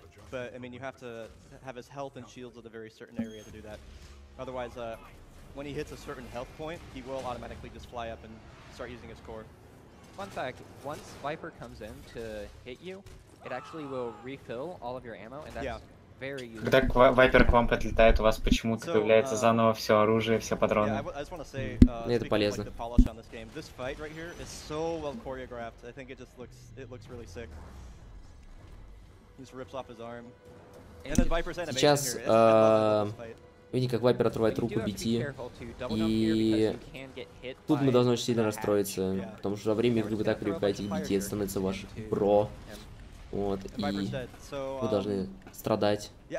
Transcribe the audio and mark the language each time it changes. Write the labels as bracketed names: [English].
[English] But I mean, you have to have his health and shields at a very certain area to do that. Otherwise, when he hits a certain health point, he will automatically just fly up and start using his core. Fun fact: once Viper comes in to hit you, it actually will refill all of your ammo, and that's very useful. [Russian] Когда Viper к вам подлетает, у вас почему-то появляется заново все оружие, все патроны. [English] Yeah, I just want to say, [Russian] это полезно. [English] Like, the polish on this game. This fight right here is so well choreographed. I think it just looks really sick. [Russian] Сейчас видите, как Вайпер отрывает руку BT, и тут мы должны очень сильно расстроиться, потому что во время игры вы так привыкаете к BT, это становится ваш бро, вот, и вы должны страдать.